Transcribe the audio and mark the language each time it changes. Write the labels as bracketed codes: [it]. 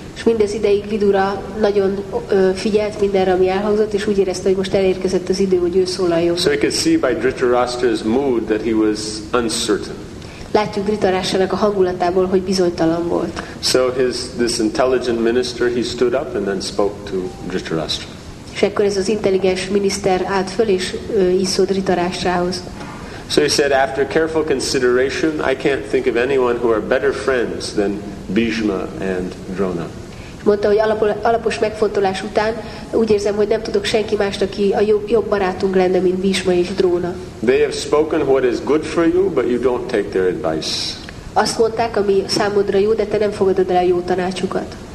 [hu] És mindez ideig Vidura nagyon figyelt mindenre, ami elhangzott, és úgy érezte, hogy most elérkezett az idő, hogy ő szólaljon. [en] So he could see by Dhritarashtra's mood that he was uncertain. [hu] Látjuk Dhritarashtra-nak a hangulatából, hogy bizonytalan volt. [en] So this intelligent minister, he stood up and then spoke to Dhritarashtra. [hu] És akkor ez az intelligens miniszter állt föl, és iszó Dhritarashtrához. [en] So he said, after careful consideration, I can't think of anyone who are better friends than Bhishma and Drona. [hu] Mondta, hogy alapos megfontolás után úgy érzem, hogy nem tudok senki mást, aki a jobb barátunk lenne, mint Bhishma és Drona. [en] They have spoken what is good for you, but you don't take their advice. [hu] Azt mondták, ami számodra jó, de te nem fogadod el a jó tanácsukat.